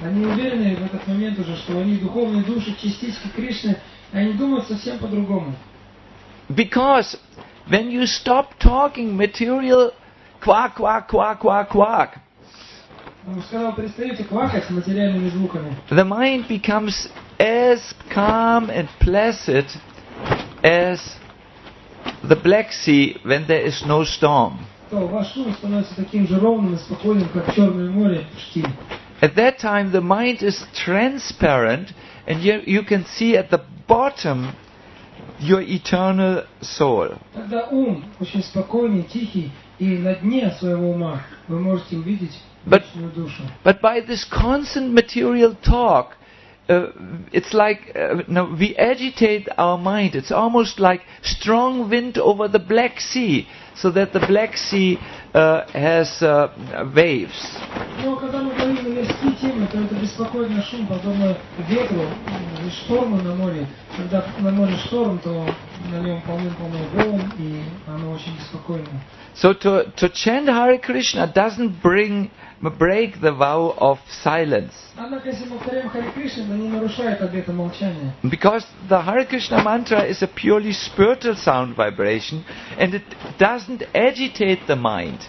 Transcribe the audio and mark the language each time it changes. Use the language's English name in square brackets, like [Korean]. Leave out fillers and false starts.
[Russian] Они уверены в этот момент уже, что они духовные души, частички Кришны, и они думают совсем по-другому. [English] Because when you stop talking material quack, quack, quack, quack, quack, [Russian] он сказал, перестаете квакать материальными звуками. [English] The mind becomes as calm and placid as the Black Sea when there is no storm. [Russian] Ваш ум становится таким же ровным и спокойным, как Черное море в Штиле. [English] At that time the mind is transparent and you can see at the bottom your eternal soul. [Russian] Тогда ум очень спокойный, тихий, и на дне своего ума вы можете увидеть вечную душу. [English] But by this constant material talk, we agitate our mind. It's almost like strong wind over the Black Sea, so that the Black Sea has waves. [Russian] Но когда мы говорим о мирских темах, то это беспокойный шум, подобно ветру и шторму на море. Когда на море шторм, то на нем полным-полно волн, и оно очень беспокойно. [English] So to chant Hare Krishna doesn't break the vow of silence. [Russian] Однако, если мы повторяем Hare Krishna, не нарушает обета молчания. [English] Because the Hare Krishna mantra is a purely spiritual sound vibration and it doesn't agitate the mind.